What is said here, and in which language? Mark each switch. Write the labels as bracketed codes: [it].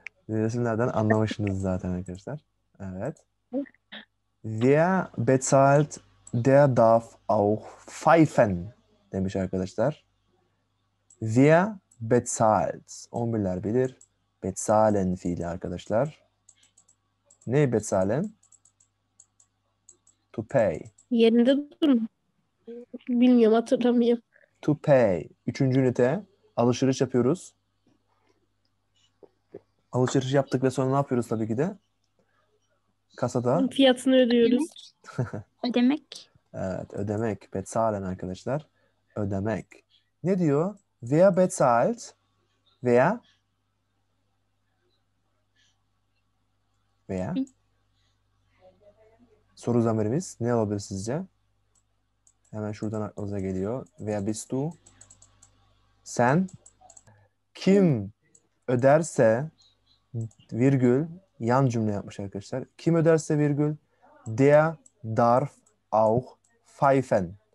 [tr] Resimlerden anlamışsınız zaten arkadaşlar. Evet. [de] Wer bezahlt, der darf auch pfeifen [tr] demiş arkadaşlar. [de] Wer bezahlt? [tr] 11'ler bilir. Bezahlen fiili arkadaşlar. Ne bezahlen? [en] To pay. [tr] Yerinde durun. Bilmiyorum, hatırlamıyorum. [en] To pay. [tr] Üçüncü ünite. Alışveriş yapıyoruz. Alışveriş yaptık ve sonra ne yapıyoruz tabii ki de? Kasada. Fiyatını ödemek. Evet, ödemek. Bezahlen arkadaşlar. Ödemek. Ne diyor? [de] Wer bezahlt? Wer? Wer? [tr] Soru zamirimiz. Ne olabilir sizce? Hemen şuradan aklınıza geliyor. [de] Wer bist du? [tr] Sen? Kim öderse virgül, yan cümle yapmış arkadaşlar. Kim öderse virgül, [de] der darf auch pfeifen.